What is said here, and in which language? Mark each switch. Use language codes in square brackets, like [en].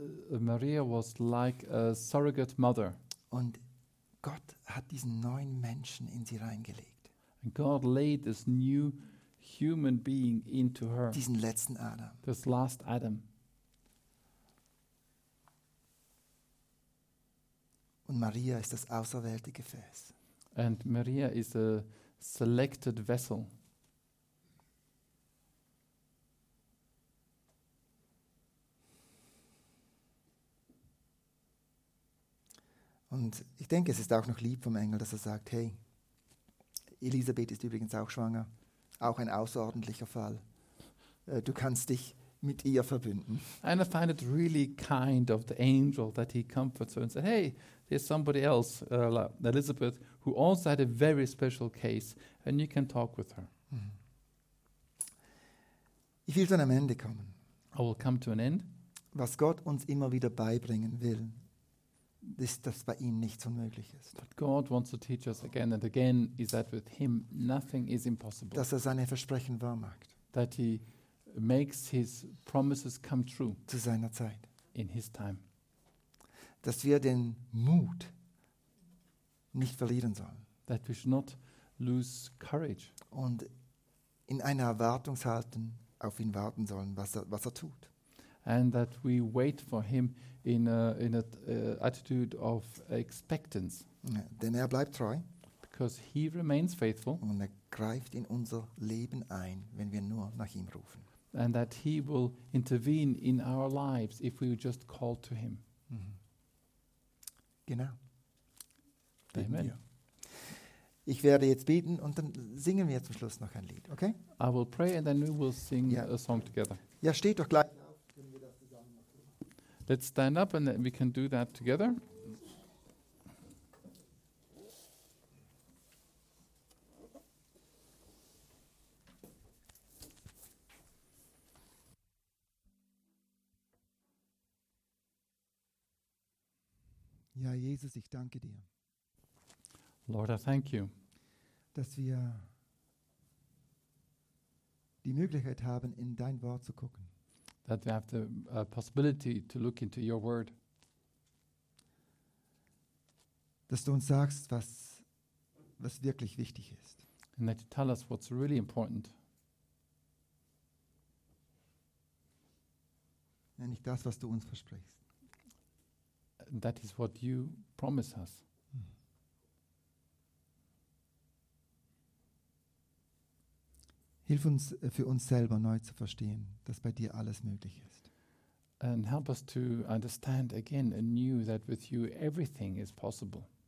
[en] Maria was like a surrogate mother. [de] Und Gott hat diesen neuen Menschen in sie reingelegt. [en] And God laid this new human being into her. [de] Diesen letzten Adam. [en] This last Adam. [de] Und Maria ist das auserwählte Gefäß. [en] And Maria is a selected vessel. [de] Und ich denke, es ist auch noch lieb vom Engel, dass er sagt, hey, Elisabeth ist übrigens auch schwanger. Auch ein außerordentlicher Fall. Du kannst dich mit ihr verbünden. [en] And I find it really kind of the angel that he comforts her and says, hey, there's somebody else, Elizabeth, who also had a very special case, and you can talk with her. [de] Ich will dann am Ende kommen. [en] I will come to an end. [de] Was Gott uns immer wieder beibringen will, ist, dass bei ihm nichts unmöglich ist. [en] But God wants to teach us again and again is that with him nothing is impossible. [de] Dass er seine Versprechen wahrmacht. [en] That he makes his promises come true. [de] Zu seiner Zeit. [en] In his time. [de] Dass wir den Mut nicht verlieren sollen. [en] That we should not lose courage. [de] Und in einer Erwartungshaltung auf ihn warten sollen, was er tut. [en] And that we wait for him in a attitude of expectance. [de] Ja, denn er bleibt treu. [en] Because he remains faithful. [de] Und er greift in unser Leben ein, wenn wir nur nach ihm rufen. [en] And that he will intervene in our lives if we just call to him. [de] Mhm. Genau. Beten Amen. Wir. Ich werde jetzt beten und dann singen wir zum Schluss noch ein Lied, okay? [en] I will pray and then we will sing a song together. [de] Ja, steht doch gleich. [en] Let's stand up and we can do that together. [de] Ja, Jesus, ich danke dir. [en] Lord, I thank you. [de] Dass wir die Möglichkeit haben, in dein Wort zu gucken. [en] That we have the possibility to look into your word. [de] Dass du uns sagst, was wirklich wichtig ist. [en] And that you tell us what's really important. [de] Nämlich das, was du uns versprichst. [en] And that is what you promise us. [de] Hilf uns, für uns selber neu zu verstehen, dass bei dir alles möglich ist. [en] And help us to understand again anew that with you everything is possible.